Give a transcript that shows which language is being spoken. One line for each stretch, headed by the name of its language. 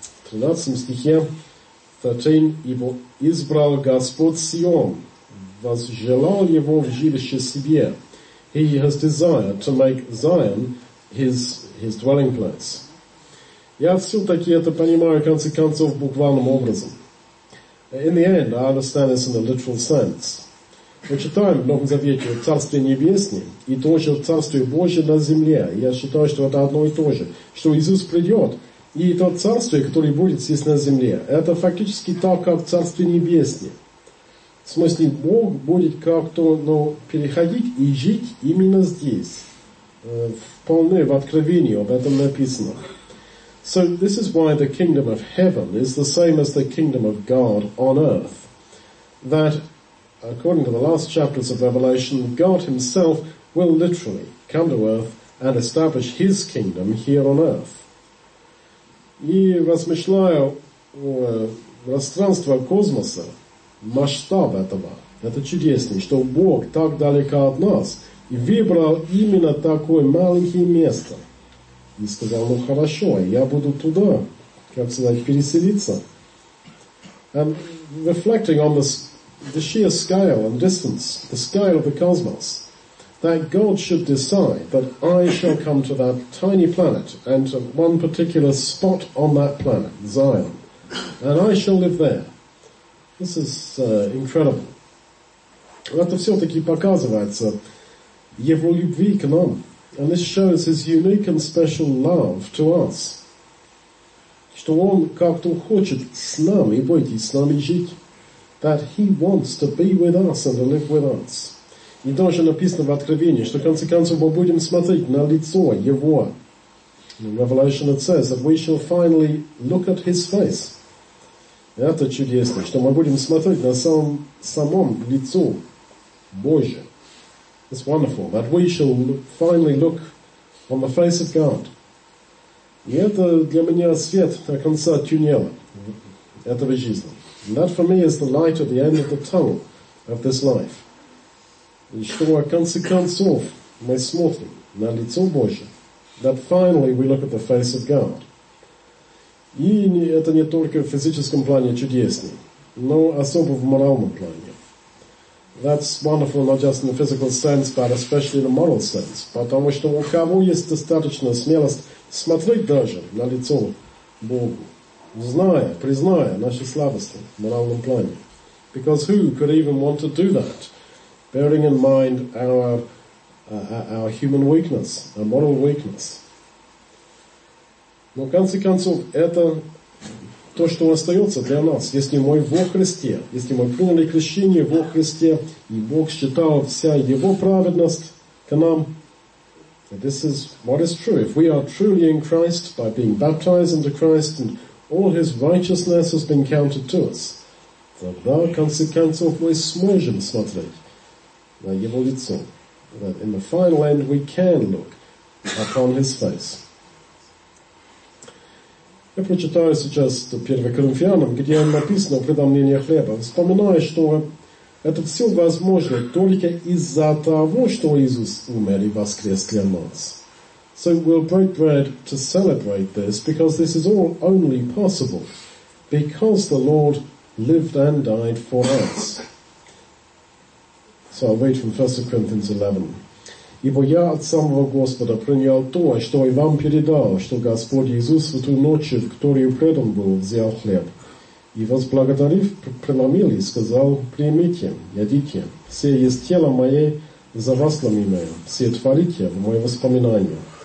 Russian: 13 стихе. 13. Ибо избрал Господь Сион, возжелал его в жилище себе.
English: He has desired to make Zion his dwelling place.
Russian: Я все-таки это понимаю, в конце концов, буквальным образом.
English: In the end, I understand this in a literal sense.
Russian: Мы читаем в Новом Завете о Царстве Небесном и тоже о Царстве Божьем на земле. Я считаю, что это одно и то же. Что Иисус придет, и то царство, которое будет здесь на земле, это фактически так, как Царствие Небесное. В смысле, Бог будет как-то, ну, переходить и жить именно здесь. Вполне в Откровении об этом написано.
English: So this is why the kingdom of heaven is the same as the kingdom of God on earth. That, according to the last chapters of Revelation, God himself will literally come to earth and establish his kingdom here on earth.
Russian: И размышляя о пространстве космоса, масштаб этого, это чудесно, что Бог так далеко от нас и выбрал именно такое маленькое место. И сказал, ну хорошо, я буду туда, как сказать, переселиться.
English: And reflecting on the sheer scale and distance, the scale of the cosmos, that God should decide that I shall come to that tiny planet and to one particular spot on that planet, Zion, and I shall live there. This is incredible.
Russian: Это все-таки показывается его любви к нам.
English: And this shows his unique and special love to us.
Russian: Что он как-то хочет с нами быть и с нами жить.
English: That he wants to be with us and to live with us.
Russian: И тоже написано в Откровении, что в конце концов мы будем смотреть на лицо Его.
English: In Revelation it says that we shall finally look at His face.
Russian: Это чудесно, что мы будем смотреть на самом лицо Божье.
English: It's wonderful that we shall finally look on the face of God.
Russian: И это для меня свет до конца туннеля этого жизни.
English: And that for me is the light at the end of the tunnel of this life.
Russian: И что в конце концов мы смотрим на лицо Божие,
English: that finally we look at the face of God.
Russian: И это не только в физическом плане чудесно, но особо в моральном плане.
English: That's wonderful not just in the physical sense, but especially in the moral sense.
Russian: Потому что у кого есть достаточная смелость смотреть даже на лицо Богу, зная, призная наши слабости в моральном плане.
English: Because who could even want to do that, bearing in mind our human weakness, our moral weakness?
Russian: Но в конце концов, это то, что остается для нас, если мы во Христе, если мы приняли крещение во Христе, и Бог считал вся Его праведность к нам.
English: This is what is true. If we are truly in Christ by being baptized into Christ, and all His righteousness has been counted to us,
Russian: тогда, в конце концов, мы сможем смотреть на Его лицо.
English: That in the final end, we can look upon His face.
Russian: Я прочитаю сейчас 1 Коринфянам, где написано «Предомнение хлеба». Вспоминаю, что это все возможно только из-за того, что Иисус умер и воскрес для нас.
English: So we'll break bread to celebrate this, because this is all only possible, because the Lord lived and died for us. So I'll read from 1 Corinthians 11.
Russian: «Ибо я от самого Господа принял то, что и вам передал, что Господь Иисус в ту ночь, в которую предан был, взял хлеб, и, возблагодарив, преломил и сказал, «Примите, едите, все есть тело мое за вас ломимое, все творите в мое воспоминание».